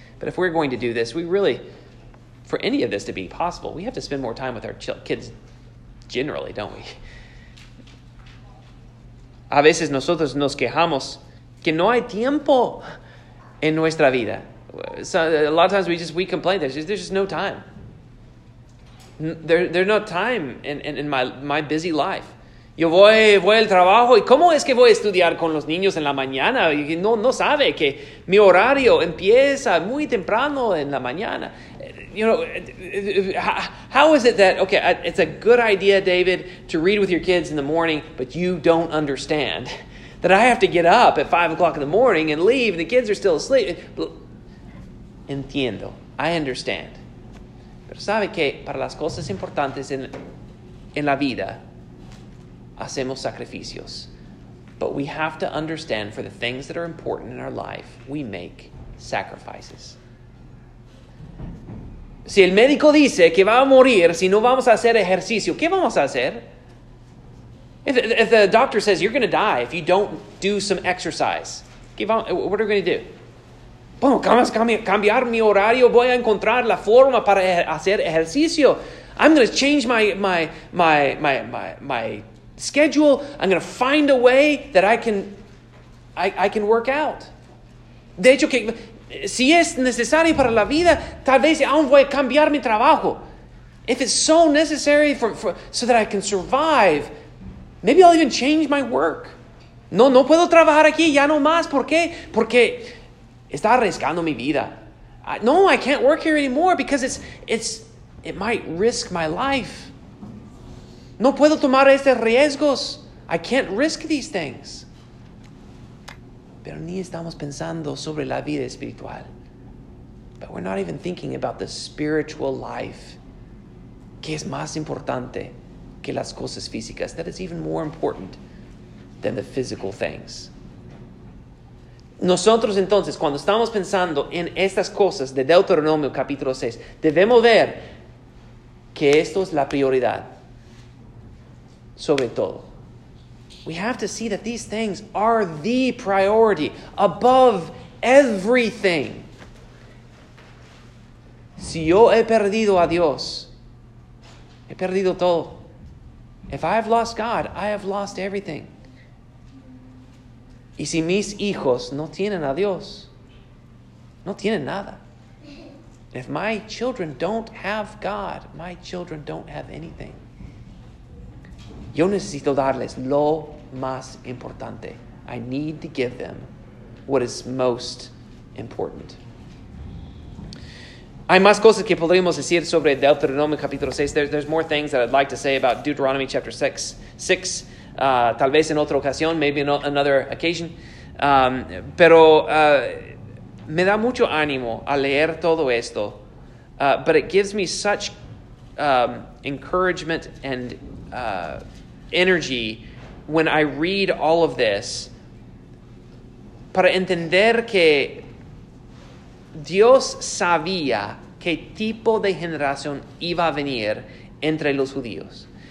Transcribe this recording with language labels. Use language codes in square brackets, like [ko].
[en] But if we're going to do this, we really, for any of this to be possible, we have to spend more time with our kids generally, don't we? [es] A veces nosotros nos quejamos que no hay tiempo en nuestra vida. [en] So a lot of times we complain, there's just no time. There's no time in my busy life. [es] Yo voy al trabajo, ¿y cómo es que voy a estudiar con los niños en la mañana? No sabe que mi horario empieza muy temprano en la mañana. [en] You know, how is it that, okay, it's a good idea, David, to read with your kids in the morning, but you don't understand that I have to get up at 5 o'clock in the morning and leave, and the kids are still asleep. [es] Entiendo. [en] I understand. [es] Pero sabe que para las cosas importantes en la vida, hacemos sacrificios. [en] But we have to understand for the things that are important in our life, we make sacrifices. [es] Si el médico dice que va a morir si no vamos a hacer ejercicio, ¿qué vamos a hacer? [en] If the doctor says you're going to die if you don't do some exercise, what are we going to do? [es] Bueno, vamos a cambiar mi horario. Voy a encontrar la forma para hacer ejercicio. [en] I'm going to change my schedule. I'm going to find a way that I can work out. [es] De hecho, que si es necesario para la vida, tal vez aún voy a cambiar mi trabajo. [en] If it's so necessary for so that I can survive, maybe I'll even change my work. [es] No puedo trabajar aquí, ya no más. ¿Por qué? Porque está arriesgando mi vida. [en] No, I can't work here anymore because it might risk my life. [es] No puedo tomar estos riesgos. [en] I can't risk these things. [es] Pero ni estamos pensando sobre la vida espiritual. [en] But we're not even thinking about the spiritual life. [es] ¿Qué es más importante que las cosas físicas? [en] That is even more important than the physical things. [es] Nosotros entonces, cuando estamos pensando en estas cosas de Deuteronomio capítulo 6, debemos ver que esto es la prioridad sobre todo. [en] We have to see that these things are the priority above everything. [es] Si yo he perdido a Dios, he perdido todo. [en] If I have lost God, I have lost everything. [es] Y si mis hijos no tienen a Dios, no tienen nada. [en] If my children don't have God, my children don't have anything. [es] Yo necesito darles lo más importante. [en] I need to give them what is most important. [es] Hay más cosas que podríamos decir sobre Deuteronomio capítulo 6. [en] There's more things that I'd like to say about Deuteronomy chapter 6. [es] Tal vez en otra ocasión, [en] maybe in another occasion. [es] Me da mucho ánimo a leer todo esto. [en] But it gives me such encouragement and energy when I read all of this, [es] para entender que Dios sabía qué tipo de generación iba a venir entre los judíos.